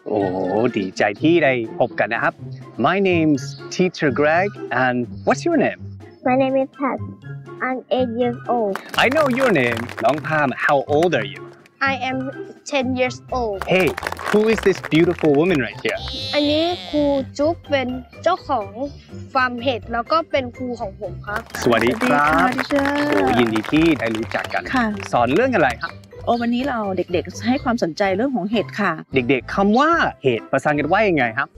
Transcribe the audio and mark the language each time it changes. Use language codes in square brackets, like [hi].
[th] โอ้ดีใจที่ได้พบกันนะครับ [en] My name's Teacher Greg and what's your name My name is Pat I'm 8 years old I know your name Long Pam how old are you I am 10 years old Hey who is this beautiful woman right here [th] อันนี้ครูจุ๊บเป็นเจ้าของฟาร์มเห็ดแล้วก็เป็นครูของผมครับ สวัสดีครับ สวัสดีค่ะโอ้ยินดีที่ได้รู้จักกัน ค่ะ สอนเรื่องอะไรครับ วันนี้เราเด็กๆให้ความสนใจเรื่องของเห็ดค่ะ เด็กๆคำว่าเห็ดภาษาอังกฤษว่ายังไงครับ